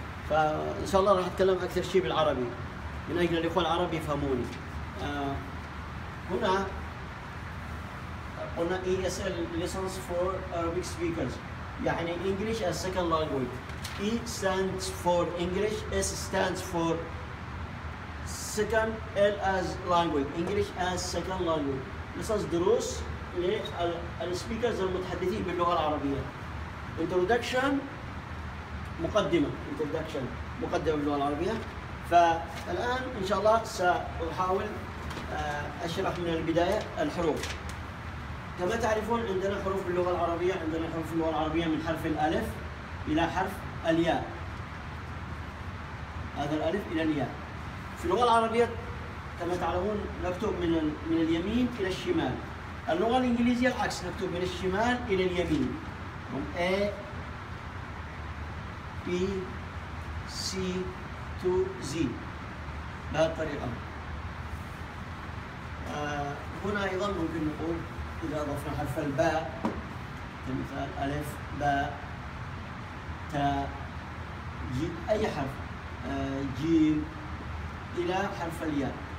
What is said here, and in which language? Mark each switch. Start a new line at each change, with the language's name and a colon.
Arabic: فإن شاء الله راح أتكلم أكثر شيء بالعربي من أجل الإخوة العرب يفهموني. هنا قلنا
English: ESL lessons for Arabic speakers،
Arabic: يعني
English: English as second language. E stands for English، S stands for second، L as language، English as second language. Lessons
Arabic: دروس
English: للسبيكرز
Arabic: المتحدثين باللغة العربية. Introduction مقدمة باللغة العربية. فالآن إن شاء الله سأحاول أشرح من البداية الحروف. كما تعرفون عندنا حروف باللغة العربية، عندنا حروف باللغة العربية من حرف الألف إلى حرف الياء. هذا الألف إلى الياء. في اللغة العربية كما تعلمون نكتب من اليمين إلى الشمال. اللغة الإنجليزية العكس، نكتب من الشمال إلى اليمين. هم
English: A B C to Z
Arabic: بهذه الطريقة. هنا أيضا ممكن نقول إذا أضفنا حرف الباء كمثال ألف باء تاء جيم، أي حرف جيم إلى حرف الياء.